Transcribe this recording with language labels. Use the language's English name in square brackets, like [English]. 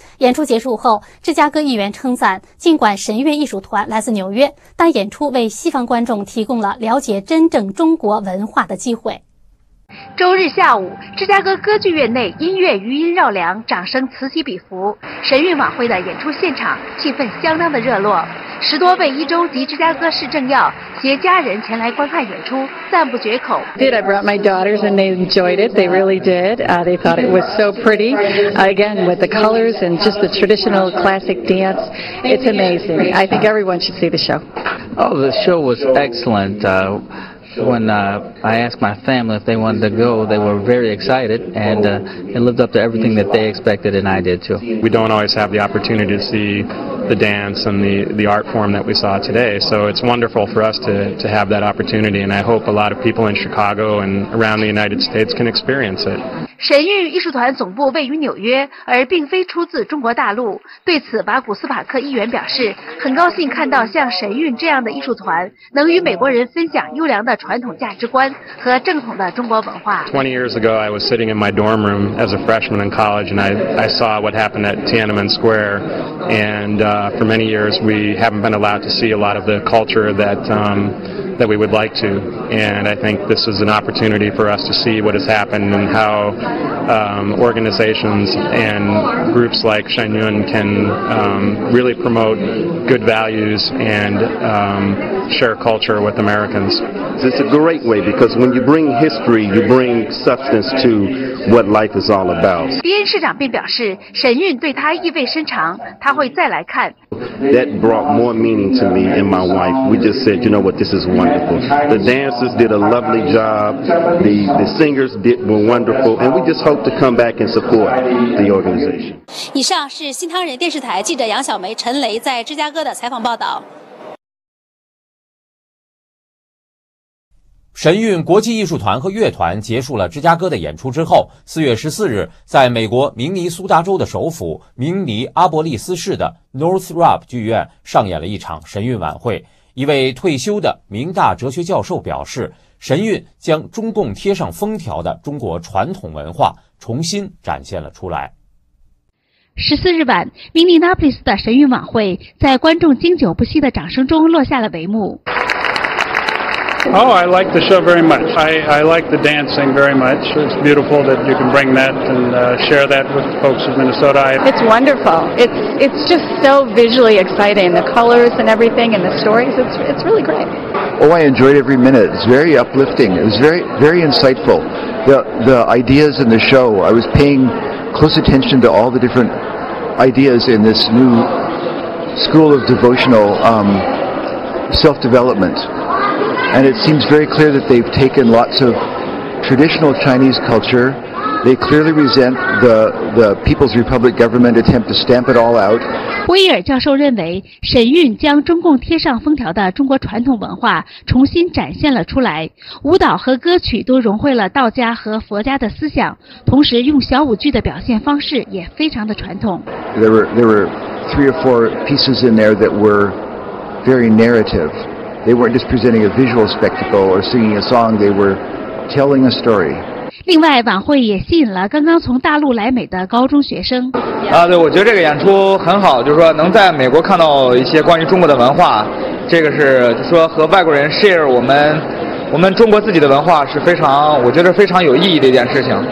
[Chinese] 演出结束后，芝加哥议员称赞，尽管神韵艺术团来自纽约，但演出为西方观众提供了了解真正中国文化的机会。周日下午，芝加哥歌剧院内音乐余音绕梁，掌声此起彼伏，神韵晚会的演出现场气氛相当的热络，十多位一州及芝加哥市政要携家人前来观看演出，赞不绝口。 [English] Did I brought my daughters and they enjoyed it? They really did. They thought it was so pretty. Again, with the colors and just the traditional classic dance, it's amazing. I think everyone should see the show. Oh, the show was excellent. When I asked my family if they wanted to go, they were very excited, and it lived up to everything that they expected, and I did too. We don't always have the opportunity to see the dance and the art form that we saw today, so it's wonderful for us to have that opportunity, and I hope a lot of people in Chicago and around the United States can experience it. [Chinese] 神韵艺术团总部位于纽约，而并非出自中国大陆。对此，瓦古斯帕克议员表示，很高兴看到像神韵这样的艺术团能与美国人分享优良的传统价值观和正统的中国文化。 [English] 20 years ago, I was sitting in my dorm room as a freshman in college, and I saw what happened at Tiananmen Square. And for many years, we haven't been allowed to see a lot of the culture that that we would like to. And I think this is an opportunity for us to see what has happened and how. Organizations and groups like Shenyun can really promote good values and share culture with Americans. It's a great way because when you bring history, you bring substance to what life is all about. [Chinese] 迪恩市长并表示，神韵对他意味深长，他会再来看。 [English] That brought more meaning to me and my wife. We just said, you know what, this is wonderful. The dancers did a lovely job. The singers were wonderful, and we just hope to come back and support the organization. [Chinese] 以上是新唐人电视台记者杨小梅、陈雷在芝加哥的采访报道。神韵国际艺术团和乐团结束了芝加哥的演出之后，4月14日在美国明尼苏达州的首府明尼阿波利斯市的 Northrop 剧院上演了一场神韵晚会。一位退休的明大哲学教授表示，神韵将中共贴上封条的中国传统文化重新展现了出来。 14日晚，明尼阿波利斯的神韵晚会在观众经久不息的掌声中落下了帷幕。 [English] Oh, I like the show very much. I like the dancing very much. It's beautiful that you can bring that and share that with the folks of Minnesota. It's wonderful. It's just so visually exciting. The colors and everything and the stories, it's really great. Oh, I enjoyed every minute. It's very uplifting. It was very, very insightful. The ideas in the show, I was paying close attention to all the different ideas in this new school of devotional self-development. And it seems very clear that they've taken lots of traditional Chinese culture. They clearly resent the People's Republic government attempt to stamp it all out. [Chinese] 威尔教授认为，神韵将中共贴上封条的中国传统文化重新展现了出来。舞蹈和歌曲都融汇了道家和佛家的思想，同时用小舞剧的表现方式也非常的传统。 [English] There were three or four pieces in there that were very narrative. They weren't just presenting a visual spectacle or singing a song, they were telling a story. [Chinese] 另外晚会也吸引了刚刚从大陆来美的高中学生。对，我觉得这个演出很好，就是说能在美国看到一些关于中国的文化，这个是就是说和外国人 share 我们中国自己的文化是非常，我觉得非常有意义的一件事情。